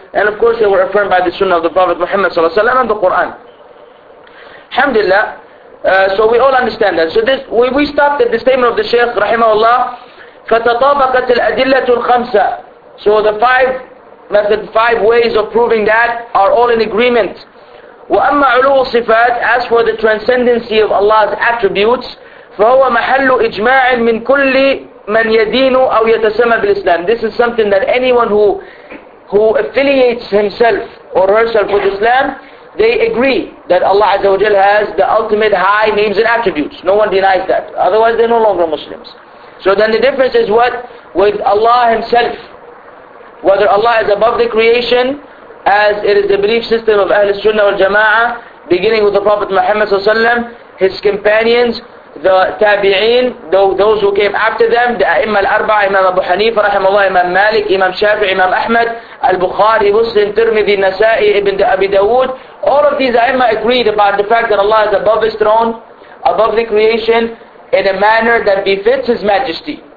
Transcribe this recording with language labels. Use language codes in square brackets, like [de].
[en] And of course they were affirmed by the Sunnah of the Prophet Muhammad sallallahu alaihi wasallam and the Quran. Alhamdulillah, so we all understand that. So this, we stopped at the statement of the Shaykh rahimahullah, [ar] فَتَطَابَقَتِ الْأَدِلَّةُ الْخَمْسَةُ. [en] So the five ways of proving that are all in agreement. [ar] وَأَمَّا عُلُوُ الصِّفَاتِ, [en] as for the transcendency of Allah's attributes, [ar] فَهُوَ مَحَلُّ إِجْمَاعٍ مِّن كُلِّ مَنْ يَدِينُ أَوْ يَتَسَمَّى بِالْإِسْلَامِ. [en] This is something that anyone who affiliates himself or herself with Islam, they agree that Allah Azza wa Jalla has the ultimate high names and attributes. No one denies that. Otherwise they're no longer Muslims. So then the difference is what? With Allah Himself. Whether Allah is above the creation, as it is the belief system of Ahl Sunnah wal Jama'ah, beginning with the Prophet Muhammad Sallallahu Alaihi Wasallam, his companions, the Tabi'een, those who came after them, the A'imma al-Arba'ah, Imam Abu Hanifa, Rahimahullah, Imam Malik, Imam Shafi'i, Imam Ahmad, Al-Bukhari, Muslim, Tirmidhi, Nasa'i, Ibn Abi Dawood, all of these A'imma agreed about the fact that Allah is above His throne, above the creation, in a manner that befits His Majesty.